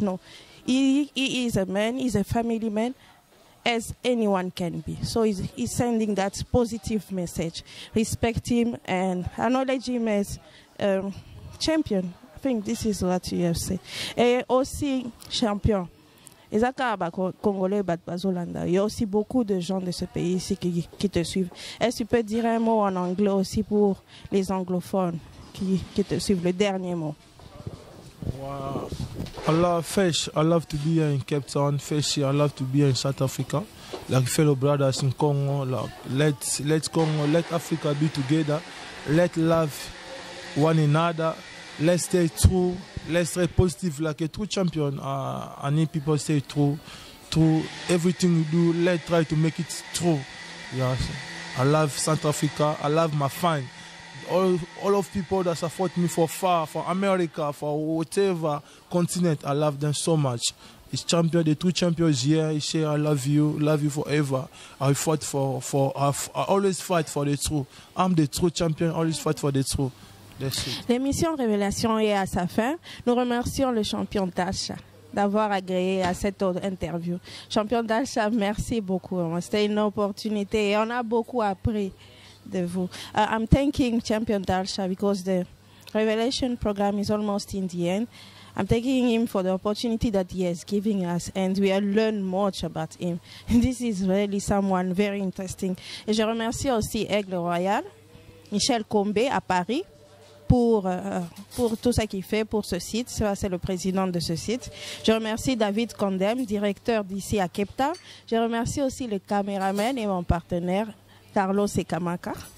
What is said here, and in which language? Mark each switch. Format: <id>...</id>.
<en>No, he is a man, he's a family man, as anyone can be. So he's sending that positive message. Respect him and acknowledge him as champion. I think this is what you have said. And also champion.</en> <fr>Et ça, quand les Congolais battent Bazolanda, il y a aussi beaucoup de gens de ce pays ici qui te suivent. Est-ce que tu peux dire un mot en anglais aussi pour les anglophones qui te suivent, le dernier mot?</fr> <en>Wow. I love fish. I love to be in Cape Town. Fish. I love to be in South Africa. Like fellow brothers in Congo. Like let's Congo, let Africa be together. Let love one another. Let's stay true. Let's stay positive. Like a true champion. I need people to stay true. True. Everything you do, let's try to make it true. Yes. I love South Africa. I love my fans. All of people that support me for far, for America, for whatever continent, I love them so much. It's champion, the two champions here. I say I love you forever. I fought for I always fight for the truth. I'm the true champion, always fight for the truth. That's it.</en> <fr>L'émission Révélation est à sa fin. Nous remercions le champion Tasha d'avoir agréé à cette interview. Champion Tasha, merci beaucoup. C'était une opportunité et on a beaucoup appris.</fr> <en>I'm thanking Champion Dalsha because the Revelation program is almost in the end. I'm thanking him for the opportunity that he has given us and we have learned much about him. This is really someone very interesting.</en> <fr>Et je remercie aussi Aigle Royal, Michel Combé à Paris pour tout ce qu'il fait pour ce site. Ça, c'est le président de ce site. Je remercie David Condem, directeur d'ici à Cape Town. Je remercie aussi le caméraman et mon partenaire Carlos et Kamaka.</fr>